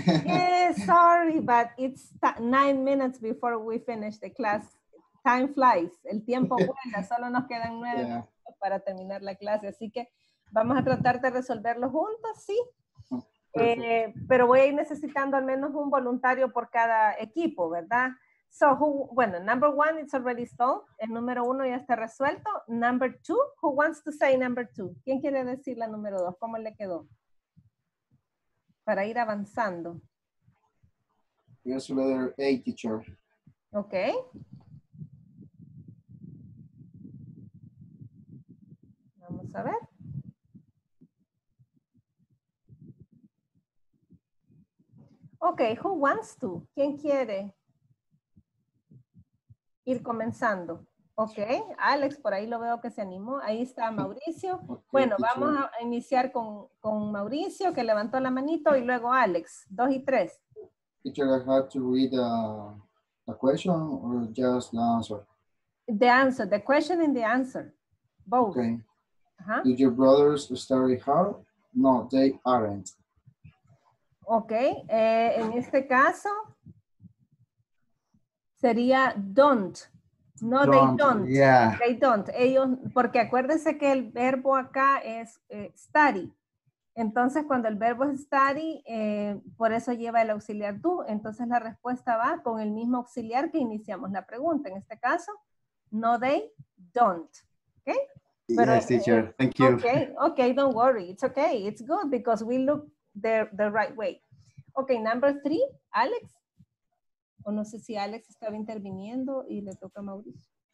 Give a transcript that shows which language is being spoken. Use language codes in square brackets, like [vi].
[en] Yes, sorry, but it's 9 minutes before we finish the class. Time flies. [es] El tiempo vuela. Solo nos quedan 9 minutos para terminar la clase. Así que vamos a tratar de resolverlo juntos, ¿sí? Pero voy a ir necesitando al menos un voluntario por cada equipo, ¿verdad? [en] So, who, bueno, number one, it's already solved. [es] El número uno ya está resuelto. [en] Number two, who wants to say number two? [es] ¿Quién quiere decir la número dos? ¿Cómo le quedó? Para ir avanzando. [en] Yes, letter A, teacher. Okay. [es] Vamos a ver. Okay, [en] who wants to? [es] ¿Quién quiere? Ir comenzando Ok, Alex, por ahí lo veo que se animó. Ahí está Mauricio. Okay, bueno, vamos a iniciar con Mauricio, que levantó la manito, y luego Alex, 2 y 3. [en] Teacher, I have to read the question or just the answer? The answer, the question and the answer, both. Okay. Uh-huh. Did your brothers study hard? No, they aren't. [es] Ok, en este caso sería don't. [en] No, don't. They don't. Yeah. They don't. [es] Ellos, porque acuérdense que el verbo acá es study. Entonces, cuando el verbo es study, por eso lleva el auxiliar do. Entonces, la respuesta va con el mismo auxiliar que iniciamos la pregunta. En este caso, no, [en] they don't. [es] Ok. [en] Pero, yes, teacher. Thank you. Okay, okay, don't worry. It's okay. It's good because we look the right way. Okay, number three, Alex. [es] O no sé si Alex estaba interviniendo y le toca a Mauricio.